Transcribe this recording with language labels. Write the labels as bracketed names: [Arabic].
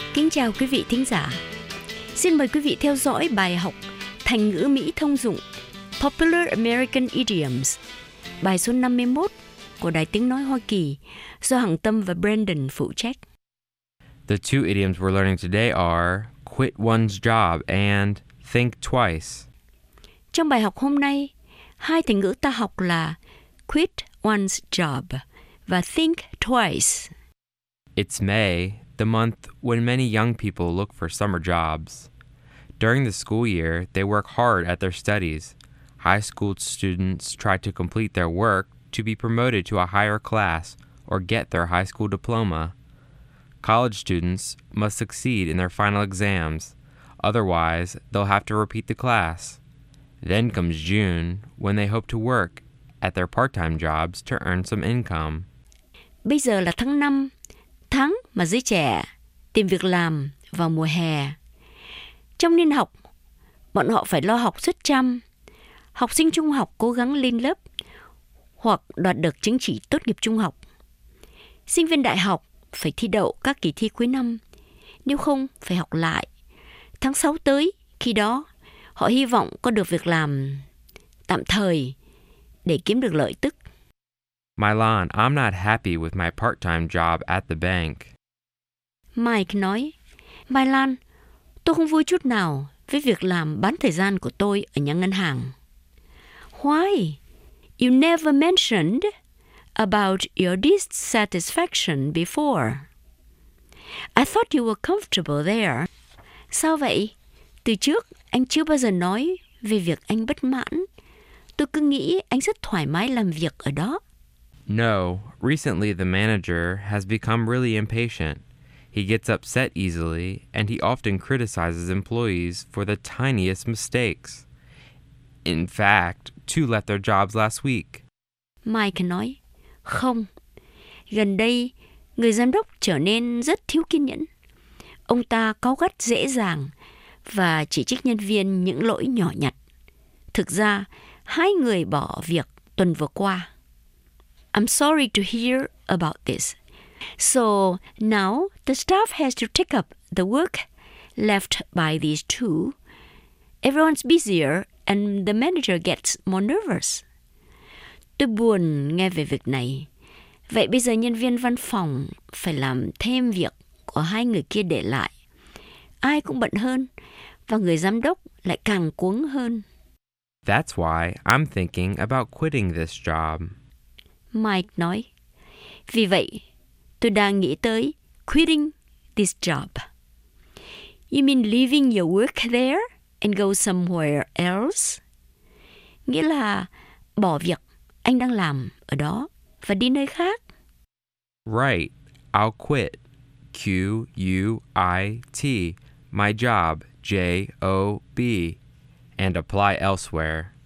[Vietnamese] Chào quý vị thính giả. Xin mời quý vị theo dõi bài học thành ngữ Mỹ thông dụng Popular American Idioms, bài số 51 của Đài Tiếng Nói Hoa Kỳ do Hằng Tâm và Brandon phụ trách. [English] The two idioms we're learning today are quit one's job and think twice. [Vietnamese] Trong bài học hôm nay, hai thành ngữ ta học là quit one's job và think twice. [English] It's May, the month when many young people look for summer jobs. During the school year, they work hard at their studies. High school students try to complete their work to be promoted to a higher class or get their high school diploma. College students must succeed in their final exams, otherwise they'll have to repeat the class. Then comes June, when they hope to work at their part-time jobs to earn some income. [Vietnamese] Bây giờ là tháng 5. Tháng mà giới trẻ tìm việc làm vào mùa hè. Trong niên học, bọn họ phải lo học suất chăm. Học sinh trung học cố gắng lên lớp hoặc đoạt được chứng chỉ tốt nghiệp trung học. Sinh viên đại học phải thi đậu các kỳ thi cuối năm, nếu không phải học lại. Tháng 6 tới, khi đó, họ hy vọng có được việc làm tạm thời để kiếm được lợi tức. [English] Mylon, I'm not happy with my part-time job at the bank. [Vietnamese] Mike nói, Mylon, tôi không vui chút nào với việc làm bán thời gian của tôi ở nhà ngân hàng. [English] Why? You never mentioned about your dissatisfaction before. I thought you were comfortable there. [Vietnamese] Sao vậy? Từ trước, anh chưa bao giờ nói về việc anh bất mãn. Tôi cứ nghĩ anh rất thoải mái làm việc ở đó. [English] No, recently the manager has become really impatient. He gets upset easily, and he often criticizes employees for the tiniest mistakes. In fact, two left their jobs last week. [Vietnamese] Mike nói, không. Gần đây, người giám đốc trở nên rất thiếu kiên nhẫn. Ông ta cáu gắt dễ dàng và chỉ trích nhân viên những lỗi nhỏ nhặt. Thực ra, hai người bỏ việc tuần vừa qua. [English] I'm sorry to hear about this. So now the staff has to take up the work left by these two. Everyone's busier and the manager gets more nervous. [Vietnamese] Tôi buồn nghe về việc này. Vậy bây giờ nhân viên văn phòng phải làm thêm việc của hai người kia để lại. Ai cũng bận hơn và người giám đốc lại càng cuống hơn. [English] That's why I'm thinking about quitting this job. [Vietnamese] Mike nói, vì vậy, tôi đang nghĩ tới [English] quitting this job. You mean leaving your work there and go somewhere else? [Vietnamese] Nghĩa là bỏ việc anh đang làm ở đó và đi nơi khác. [English] Right, I'll quit. quit my job, job, and apply elsewhere.